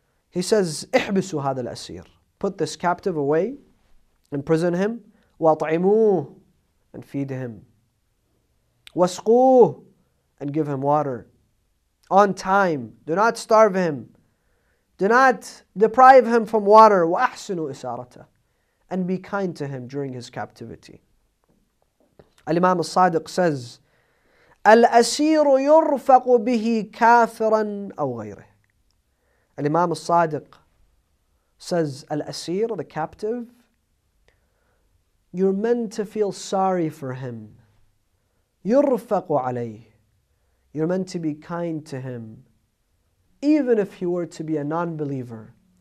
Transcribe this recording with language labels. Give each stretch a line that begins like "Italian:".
English: He says,
Arabic: احبسوا هذا الأسير,
English: put this captive away, imprison him,
Arabic: واطعموه,
English: and feed him,
Arabic: واسقوه,
English: and give him water, on time, do not starve him, do not deprive him from water,
Arabic: وأحسنوا إسارته,
English: and be kind to him during his captivity. Al-Imam al-Sadiq says,
Arabic: الأسير يرفق به كافرا أو غيره.
English: Al-Imam al-Sadiq says, Al-Asir, the captive, you're meant to feel sorry for him.
Arabic: يرفق عليه.
English: You're meant to be kind to him. Even if he were to be a non-believer.